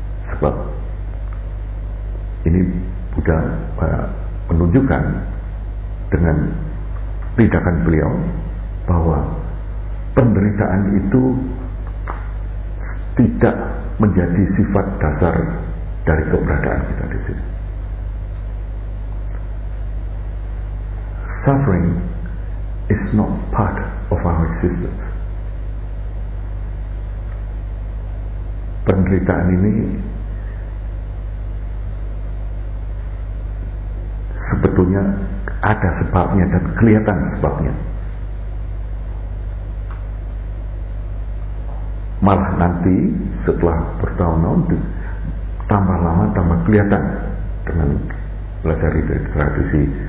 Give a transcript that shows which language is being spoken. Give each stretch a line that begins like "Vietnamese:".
Indonesian: Sebab ini Buddha menunjukkan dengan tindakan beliau bahwa penderitaan itu tidak menjadi sifat dasar dari keberadaan kita di sini.
English: Suffering is not part of our existence.
Indonesian: Penderitaan ini sebetulnya ada sebabnya dan kelihatan sebabnya. Malah nanti setelah bertahun-tahun tambah lama tambah kelihatan dengan belajar dari tradisi